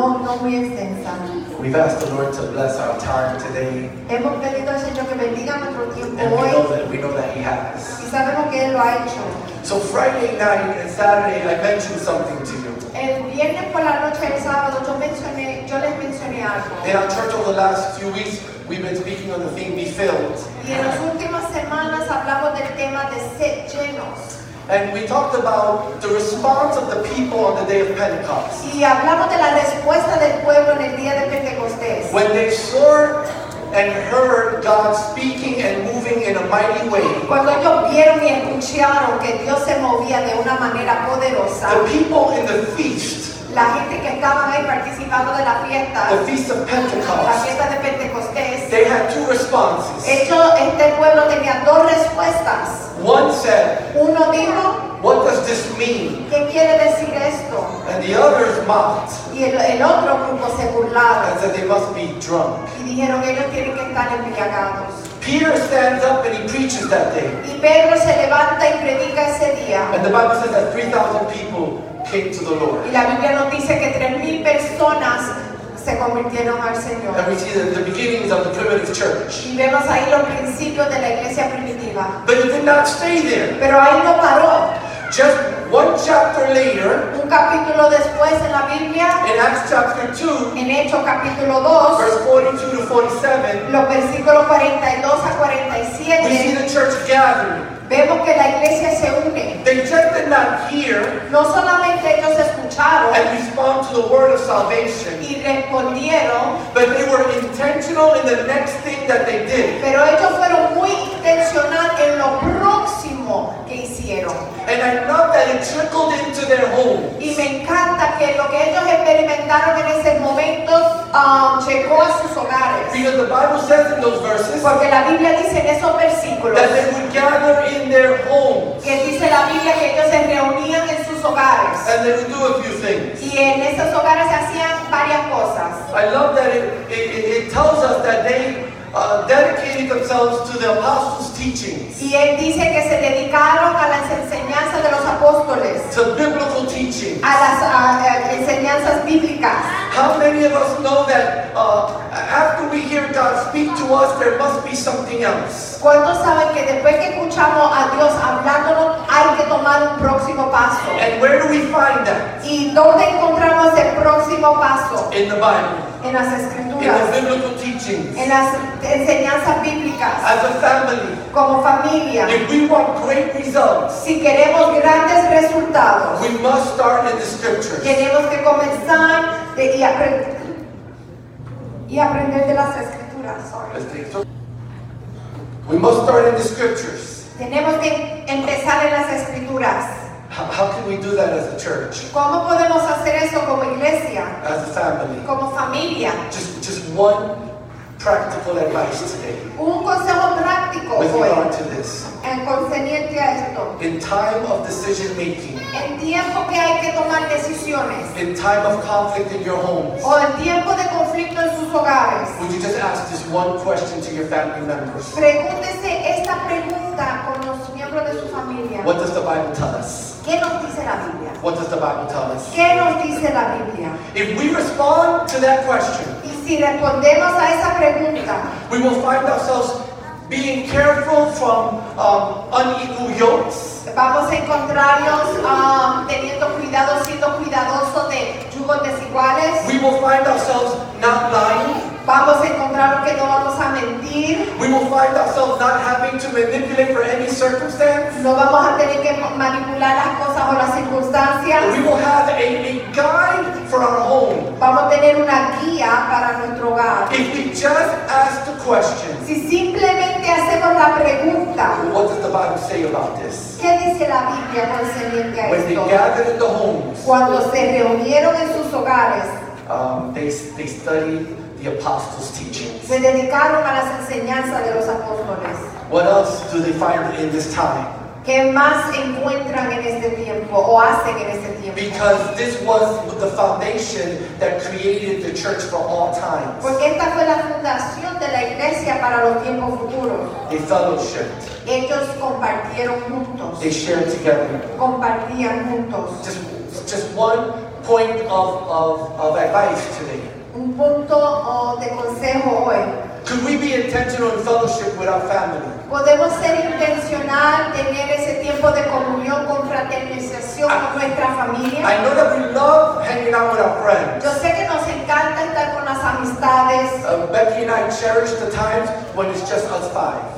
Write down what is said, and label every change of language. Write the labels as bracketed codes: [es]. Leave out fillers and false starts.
[en] We've asked the Lord to bless our time today. [es] Hemos pedido al Señor que bendiga nuestro tiempo hoy. [en] We know that He has. [es] Y sabemos que él lo ha hecho. [en] So Friday night and Saturday, I mentioned something to you. [es] El viernes por la noche y el sábado, yo les mencioné algo. [en] In our church over the last few weeks, we've been speaking on the theme, be filled. [es] Y en las últimas semanas hablamos del tema de ser llenos. [en] And we talked about the response of the people on the day of Pentecost. [es] Y hablamos de la respuesta del pueblo en el día de Pentecostés. [en] When they saw and heard God speaking and moving in a mighty way. [es] Cuando ellos vieron y escucharon que Dios se movía de una manera poderosa. [en] The people in the feast. [es] La gente que estaba ahí participando de la fiesta. [en] The feast of Pentecost. [es] La fiesta de Pentecostés. [en] They had two responses. [es] Este pueblo tenía dos respuestas. [en] One said, [es] uno dijo, [en] what does this mean? [es] ¿Qué quiere decir esto? [en] And the others mocked. [es] Y el otro grupo se burlaba. [en] And said they must be drunk. [es] Y dijeron, ellos tienen que estar embriagados. [en] Peter stands up and he preaches that day. [es] Y Pedro se levanta y predica ese día. [en] And the Bible says that 3,000 people came to the Lord. [es] Y la Biblia nos dice que 3,000 personas se convirtieron al Señor. [en] And we see that the beginnings of the primitive church. [es] Y vemos ahí los principios de la iglesia primitiva. [en] But it did not stay there. [es] Pero ahí no paró. [en] Just one chapter later, [es] un capítulo después en la Biblia, [en] in Acts chapter 2, [es] en Hechos capítulo 2, [en] verse 42 to 47, [es] los versículos 42 a 47, [en] we see the church gathering. [es] Vemos que la iglesia se une. [en] They just did not hear, [es] no solamente ellos escucharon, [en] and respond to the word of salvation, [es] y respondieron, [en] but they were intentional in the next thing that they did. [es] Pero ellos fueron muy intencional en lo próximo que hicieron. [en] And I love that it trickled into their homes. [es] Y me encanta que lo que ellos experimentaron en ese momento llegó a sus hogares. [en] Because the Bible says in those verses, [es] porque la Biblia dice en esos versículos, [en] that they would gather in their homes. [es] Que dice la Biblia que ellos se reunían en sus hogares. [en] And they would do a few things. [es] Y en esos hogares se hacían varias cosas. [en] I love that it tells us that they dedicated themselves to the apostles' teachings. [es] Y él dice que se dedicaron a las enseñanzas de los apóstoles. [en] To biblical teachings. [es] A las enseñanzas bíblicas. [en] How many of us know that after we hear God speak to us, there must be something else? [es] ¿Cuántos saben que después que escuchamos a Dios hablándonos, hay que tomar un próximo paso? [en] And where do we find that? [es] ¿Y dónde encontramos el próximo paso? [en] In the Bible. [es] En las escrituras. [en] In the biblical teachings. [es] En las enseñanzas bíblicas. [en] As a family. [es] Como familia. [en] If we want great results. [es] Si queremos grandes resultados. [en] We must start in the scriptures. [es] Tenemos que comenzar y aprender de las escrituras. [en] Sorry. We must start in the scriptures. [es] Tenemos que empezar en las escrituras. [en] How can we do that as a church? [es] ¿Cómo podemos hacer eso como iglesia? [en] As a family. [es] Como familia. [en] Just one practical advice today. [es] Un consejo práctico [en] with [es] hoy. [en] Regard to this. [es] En concerniente a esto. [en] In time of decision making. [es] En tiempo que hay que tomar decisiones. [en] In time of conflict in your homes. [es] O en tiempo de conflicto en sus hogares. [en] Would you just ask this one question to your family members? [es] Pregúntese esta pregunta con los miembros de su familia. [en] What does the Bible tell us? [es] ¿Qué nos dice la Biblia? [en] What does the Bible tell us? [es] ¿Qué nos dice la Biblia? [en] If we respond to that question, [es] y si respondemos a esa pregunta, [en] we will find ourselves being careful from unequal yokes. [es] Vamos a encontrarnos teniendo cuidado, siendo cuidadoso de yugos desiguales. [en] We will find ourselves not lying. [es] Vamos a encontrar que no vamos a mentir. [en] We will find ourselves not having to manipulate for any circumstance. [es] No vamos a tener que manipular las cosas o las circunstancias. [en] We will have a guide for our home. [es] Vamos a tener una guía para nuestro hogar. [en] If we just ask the question. [es] Si simplemente hacemos la pregunta. [en] What does the Bible say about this? [es] ¿Qué dice la Biblia concerniente a esto? [en] When they gathered in the homes. [es] Cuando se reunieron en sus hogares. [en] They studied the apostles' teachings. [es] Se dedicaron a las enseñanzas de los apóstoles. [en] What else do they find in this time? [es] ¿Qué más encuentran en este tiempo o hacen en este tiempo? [en] Because this was the foundation that created the church for all times. [es] Porque esta fue la fundación de la iglesia para los tiempos futuros. [en] They fellowshiped. [es] Ellos compartieron juntos. [en] They shared together. [es] Compartían juntos. [en] Just one point of advice today. [es] Un punto de consejo hoy. [en] Could we be intentional in fellowship with our family? [es] Podemos ser intencional tener ese tiempo de comunión con fraternización con nuestra familia. [en] I know that we love hanging out with our friends. [es] Yo sé que nos encanta estar con las amistades. [en] Becky and I cherish the times when it's just us five.